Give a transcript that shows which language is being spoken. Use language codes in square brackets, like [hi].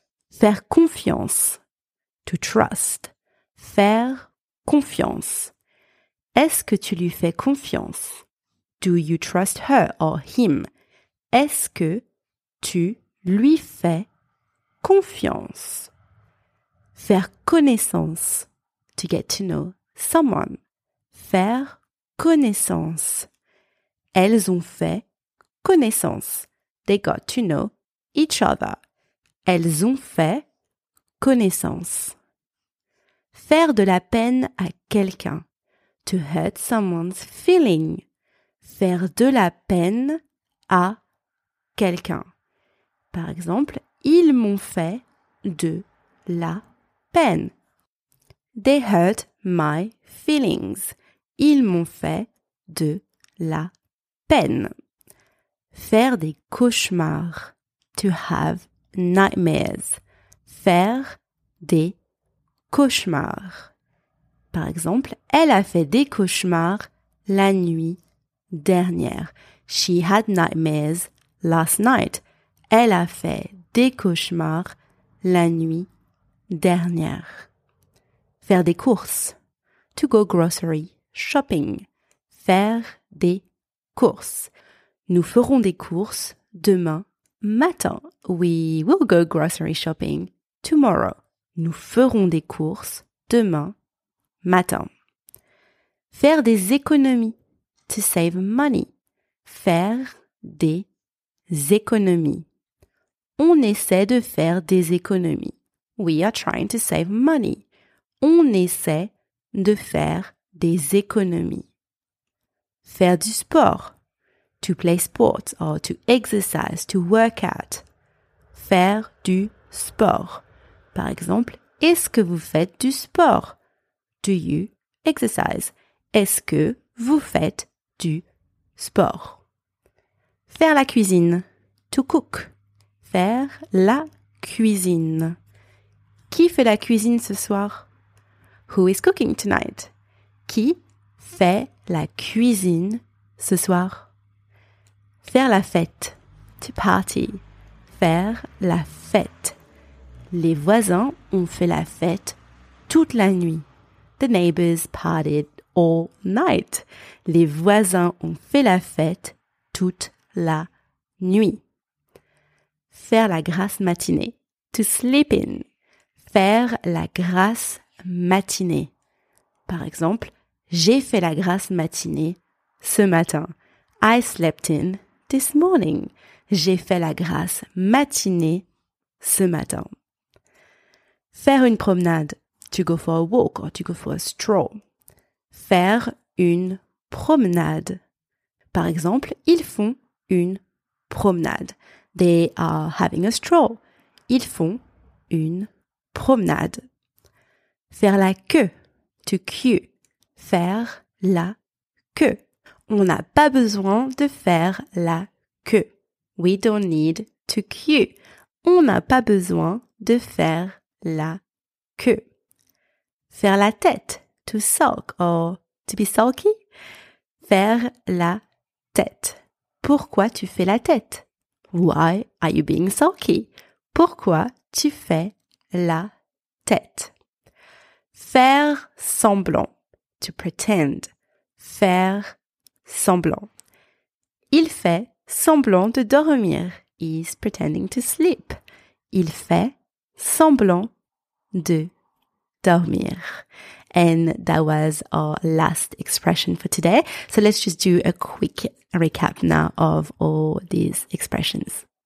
[fr] Faire confiance, [en] to trust. [fr] Faire confiance. Est-ce que tu lui fais confiance? [en] Do you trust her or him? [fr] Est-ce que tu lui fais confiance? Faire connaissance, [en] to get to know someone. [fr] Faire connaissance. Elles ont fait connaissance. [en] They got to know each other. [fr] Elles ont fait connaissance. Faire de la peine à quelqu'un. [en] To hurt someone's feeling. [fr] Faire de la peine à quelqu'un. Par exemple, ils m'ont fait de la peine. [en] They hurt my feelings. [fr] Ils m'ont fait de la peine. Faire des cauchemars. [en] To have nightmares. [fr] Faire des cauchemars. Par exemple, elle a fait des cauchemars la nuit dernière. [en] She had nightmares last night. [fr] Elle a fait des cauchemars la nuit dernière. Faire des courses, [en] to go grocery shopping. [fr] Faire des courses. Nous ferons des courses demain matin. [en] We will go grocery shopping tomorrow. [fr] Nous ferons des courses demain matin. Faire des économies, [en] to save money. [fr] Faire des économies. On essaie de faire des économies. [en] We are trying to save money. [fr] On essaie de faire des économies. Faire du sport. [en] To play sports or to exercise, to work out. [fr] Faire du sport. Par exemple, est-ce que vous faites du sport? [en] Do you exercise? [fr] Est-ce que vous faites du sport? Faire la cuisine. [en] To cook. [fr] Faire la cuisine. Qui fait la cuisine ce soir? [en] Who is cooking tonight? [fr] Qui fais la cuisine ce soir. Faire la fête. [en] To party. [fr] Faire la fête. Les voisins ont fait la fête toute la nuit. [en] The neighbors partied all night. [fr] Les voisins ont fait la fête toute la nuit. Faire la grasse matinée. [en] To sleep in. [fr] Faire la grasse matinée. Par exemple, j'ai fait la grasse matinée ce matin. [en] I slept in this morning. [fr] J'ai fait la grasse matinée ce matin. Faire une promenade. [en] To go for a walk or to go for a stroll. [fr] Faire une promenade. Par exemple, ils font une promenade. [en] They are having a stroll. [fr] Ils font une promenade. Faire la queue. [en] To queue. [fr] Faire la queue. On n'a pas besoin de faire la queue. [en] We don't need to queue. [fr] On n'a pas besoin de faire la queue. Faire la tête. [en] To sulk or to be sulky. [fr] Faire la tête. Pourquoi tu fais la tête? [en] Why are you being sulky? [fr] Pourquoi tu fais la tête? Faire semblant. [en] To pretend. [fr] Faire semblant. Il fait semblant de dormir. [en] He's pretending to sleep. [fr] Il fait semblant de dormir. [en] And that was our last expression for today. So let's just do a quick recap now of all these expressions.